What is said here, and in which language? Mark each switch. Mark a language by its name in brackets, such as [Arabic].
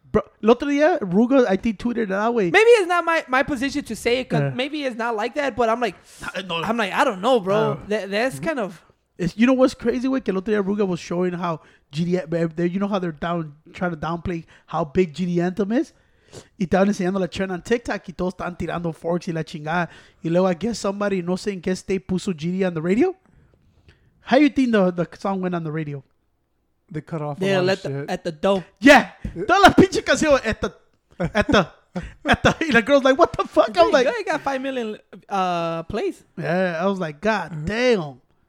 [English] Bro, [Spanish] el otro día, [English] Ruga, I think, tweeted that way. Maybe it's not my position to say it, because maybe it's not like that, but I'm like, I don't know, bro. That's kind of... It's, you know what's crazy? With [Spanish] que el otro día [English] Ruga was showing how GDN, you know how they're down trying to downplay how big GD Anthem is. [Spanish] Y estaban enseñando la trend on TikTok y todos estaban tirando forks y la chingada. Y luego [English] I guess somebody, [Spanish] no sé en qué [English] state, [Spanish] puso [English] GD on the radio. How you think the song went on the radio? They cut off a lot of shit. At the dome. Yeah. [Spanish] Todas las pinches canciones [English] at the and the girl's like, what the fuck? I'm like, you got 5 million plays. Yeah, I was like, God damn.